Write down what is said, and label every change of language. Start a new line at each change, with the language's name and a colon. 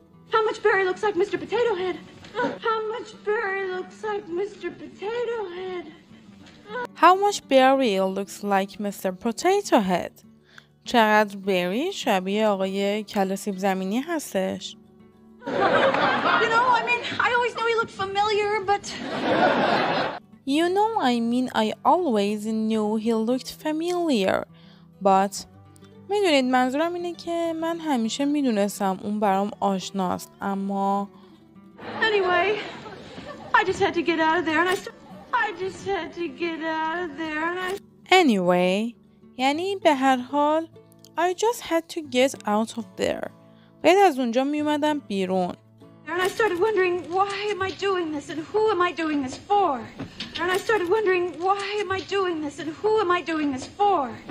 English: How much Barry looks like Mr. Potato Head. How much Barry looks like Mr. Potato Head. How much Barry looks like Mr. Potato Head.
Persian: چقدر بری شبیه آقای کله سیب زمینی هستش.
English: You know, I mean, I always know he looked familiar, but... You know, I mean, I always knew he looked familiar, but...
Persian: میدونید منظورم اینه که من همیشه میدونستم اون برام آشناست اما
English: Anyway, I just had to get out of there and I just had to get out of there.
Persian: یعنی به هر حال
English: I just had to get out of there.
Persian: بعد از اونجا میومدم بیرون.
English: And I started wondering why am I doing this and who am I doing this for? And I started wondering why am I doing this and who am I doing this for?